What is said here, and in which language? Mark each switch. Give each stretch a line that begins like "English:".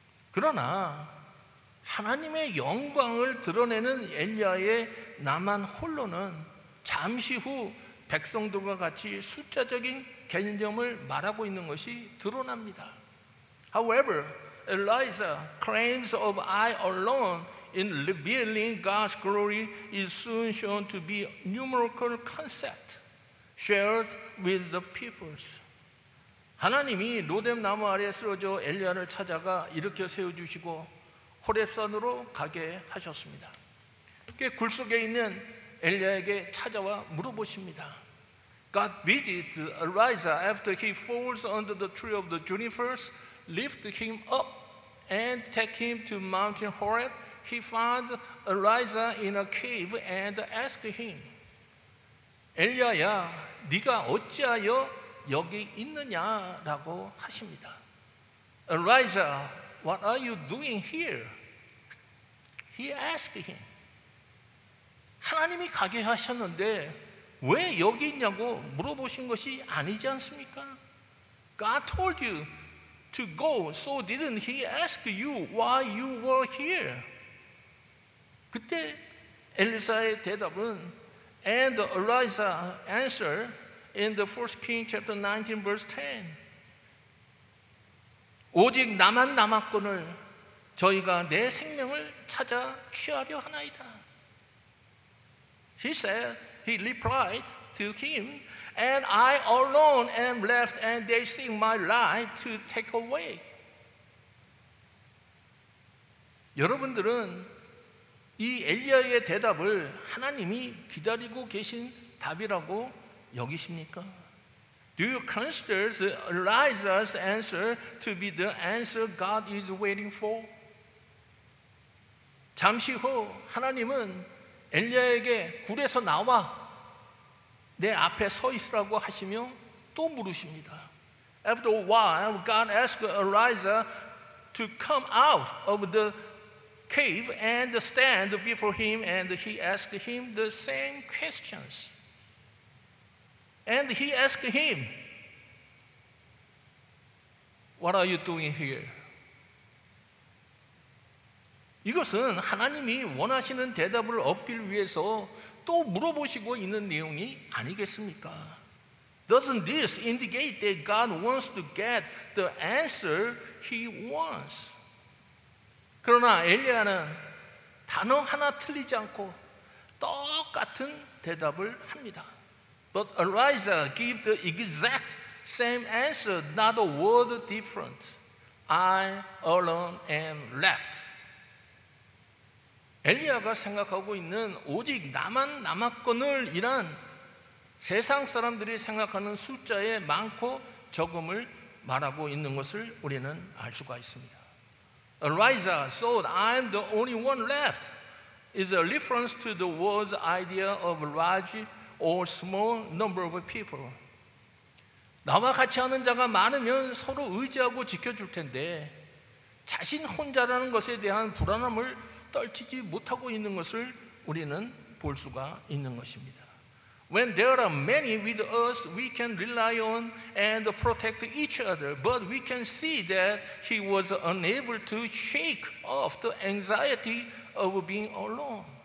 Korean: 그러나 하나님의 영광을 드러내는 엘리야의 나만 홀로는 잠시 후 백성들과 같이 숫자적인 개념을 말하고 있는 것이 드러납니다.
English: However, Elijah's claims of I alone in revealing God's glory is soon shown to be a numerical concept. shared with the peoples.
Korean: 하나님이 로뎀 나무 아래 쓰러져 엘리야를 찾아가 일으켜 세워주시고 호렙산으로 가게 하셨습니다. 굴 속에 있는 엘리야에게 찾아와 물어보십니다.
English: God bid Elijah after he falls under the tree of the junipers, lift him up and take him to mountain Horeb. He found Elijah in a cave and asked him,
Korean: 엘리야야, 네가 어찌하여 여기 있느냐라고 하십니다.
English: Elijah, what are you doing here? He asked him.
Korean: 하나님이 가게 하셨는데 왜 여기 있냐고 물어보신 것이 아니지 않습니까?
English: God told you to go, so didn't he ask you why you were here?
Korean: 그때 엘리사의 대답은
English: And Elijah answered in the 1 Kings chapter 19 verse 10
Korean: 오직 나만 남았거늘 저희가 내 생명을 찾아 취하려 하나이다.
English: He said, he replied to him, and I alone am left and they seek my life to take away.
Korean: 여러분들은 이 엘리야의 대답을 하나님이 기다리고 계신 답이라고 여기십니까?
English: Do you consider Elijah's answer to be the answer God is waiting for?
Korean: 잠시 후 하나님은 엘리야에게 굴에서 나와 내 앞에 서 있으라고 하시며 또 물으십니다.
English: After a while, God asked Elijah to come out of the cave and stand before him and he asked him the same questions. And he asked him, What are you doing here?
Korean: 이것은 하나님이 원하시는 대답을 얻길 위해서 또 물어보시고 있는 내용이 아니겠습니까?
English: Doesn't this indicate that God wants to get the answer he wants?
Korean: 그러나 엘리야는 단어 하나 틀리지 않고 똑같은 대답을 합니다.
English: But Elijah gave the exact same answer, not a word different. I alone am left.
Korean: 엘리야가 생각하고 있는 오직 나만 남았거늘이란 세상 사람들이 생각하는 숫자의 많고 적음을 말하고 있는 것을 우리는 알 수가 있습니다.
English: Elijah thought I'm the only one left is a reference to the world's idea of large or small number of people.
Korean: 나와 같이 하는 자가 많으면 서로 의지하고 지켜줄 텐데 자신 혼자라는 것에 대한 불안함을 떨치지 못하고 있는 것을 우리는 볼 수가 있는 것입니다.
English: When there are many with us, we can rely on and protect each other. But we can see that he was unable to shake off the anxiety of being alone.